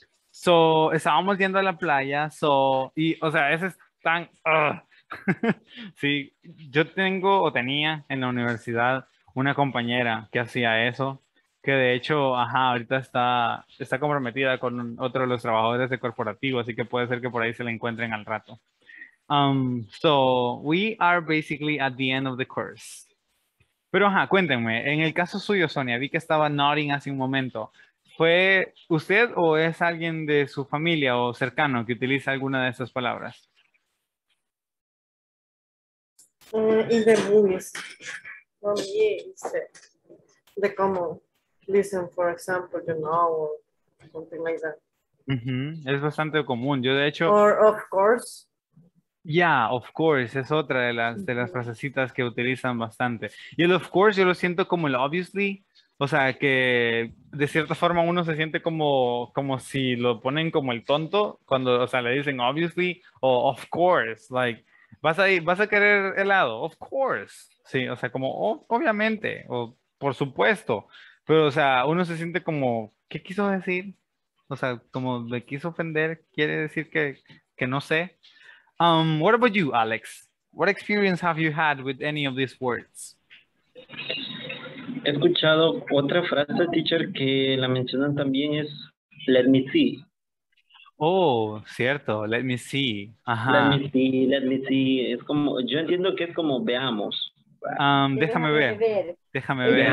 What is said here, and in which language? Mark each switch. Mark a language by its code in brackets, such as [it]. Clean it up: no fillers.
[es] So, estábamos yendo a la playa, so, y, o sea, ese es tan, sí, yo tengo o tenía en la universidad una compañera que hacía eso, que de hecho, ajá, ahorita está comprometida con otro de los trabajadores de corporativo, así que puede ser que por ahí se la encuentren al rato. [en] So, we are basically at the end of the course. [es] Pero ajá, cuéntenme, en el caso suyo, Sonia, vi que estaba nodding hace un momento. ¿Fue usted o es alguien de su familia o cercano que utiliza alguna de esas palabras? [en] In the movies. For me, it's the common. Listen, for example, you know, or something like that. [es] Uh-huh. Es bastante común. Yo, de hecho... [en] Or, of course. Yeah, of course, [es] es otra de las frasecitas que utilizan bastante. Y el [en] of course [es] yo lo siento como el obviously, o sea que de cierta forma uno se siente como si lo ponen como el tonto, cuando, o sea, le dicen obviously o of course, like, vas a querer helado, of course, sí, o sea, como obviamente, o por supuesto, pero, o sea, uno se siente como, ¿qué quiso decir? O sea, como le quiso ofender, quiere decir que no sé. [en] What about you, Alex? What experience have you had with any of these words? [es] He escuchado otra frase, teacher, que la mencionan también es [en] let me see. [es] Oh, cierto, [en] let me see. [es] Ajá. [en] Let me see, let me see. [es] Es como, yo entiendo que es como veamos, Déjame ver. Déjame ver.